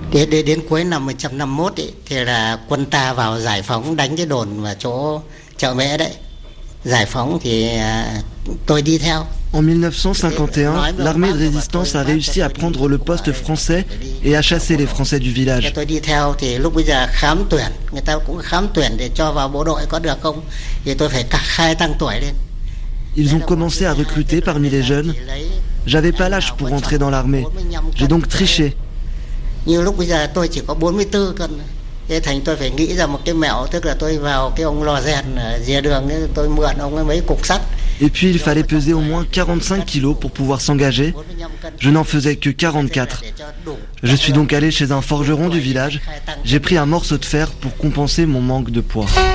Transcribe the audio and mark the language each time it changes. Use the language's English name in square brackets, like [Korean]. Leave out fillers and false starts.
[Vietnamese] Đến cuối năm 1951 ấy, thì là quân ta vào giải phóng đánh cái đồn ở chỗ chợ Mễ đấy. Giải phóng thì tôi đi theo. [French] En 1951, l'armée de résistance a réussi à prendre le poste français et à chasser les Français du village. [Vietnamese] Tôi đi theo thì lúc bây giờ khám tuyển, người ta cũng khám tuyển để cho vào bộ đội có được không? Thì tôi phải khai tăng tuổi lên. [French] Ils ont commencé à recruter parmi les jeunes. J'avais pas l'âge pour entrer dans l'armée. J'ai donc triché. [Vietnamese] Như lúc bây giờ tôi chỉ có 44 cân. Thế thành tôi phải nghĩ ra một cái mẹo, tức là tôi vào cái ông lò rèn ở rìa đường ấy, tôi mượn ông ấy mấy cục sắt. [French] Et puis il fallait peser au moins 45 kilos pour pouvoir s'engager. Je n'en faisais que 44. Je suis donc allé chez un forgeron du village. J'ai pris un morceau de fer pour compenser mon manque de poids.